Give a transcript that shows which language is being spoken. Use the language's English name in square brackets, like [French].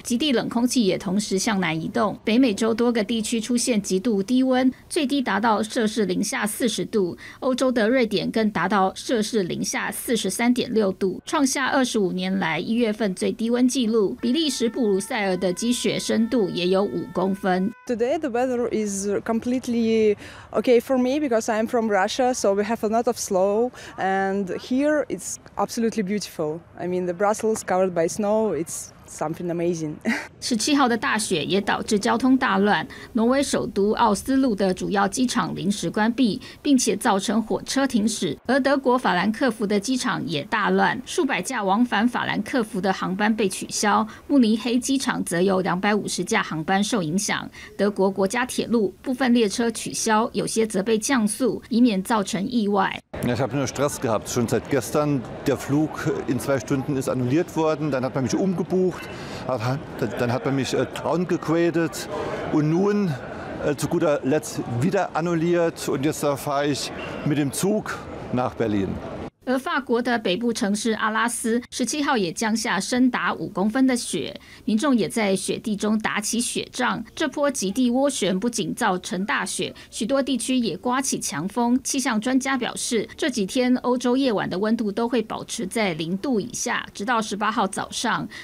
[Chinese] 极地冷空气也同时向南移动，北美洲多个地区出现极度低温，最低达到-40°C，欧洲的瑞典更达到-43.6°，创下25年来1月份最低温记录。比利时布鲁塞尔的积雪深度也有5公分。 [English] Today the weather is completely okay for me because I'm from Russia, so we have a lot of snow, and here it's absolutely beautiful. I mean, the Brussels covered by snow, it's something amazing. [Chinese] 17号的大雪也导致交通大乱，挪威首都奥斯陆的主要机场临时关闭，并且造成火车停驶。而德国法兰克福的机场也大乱，数百架往返法兰克福的航班被取消。慕尼黑机场则有250架航班受影响。德国国家铁路部分列车取消，有些则被降速，以免造成意外。 [German] Ich habe nur Stress gehabt. Schon seit gestern der Flug in 2 Stunden ist annulliert worden. Dann hat man mich umgebucht. Dann hat man mich downgegradet. Und nun zu guter Letzt wieder annulliert. Und jetzt fahre ich mit dem Zug nach Berlin. [Chinese] 而法国的北部城市阿拉斯17号也降下深达5公分的雪，民众也在雪地中打起雪仗。这波极地涡旋不仅造成大雪，许多地区也刮起强风。气象专家表示，这几天欧洲夜晚的温度都会保持在0度以下，直到18号早上。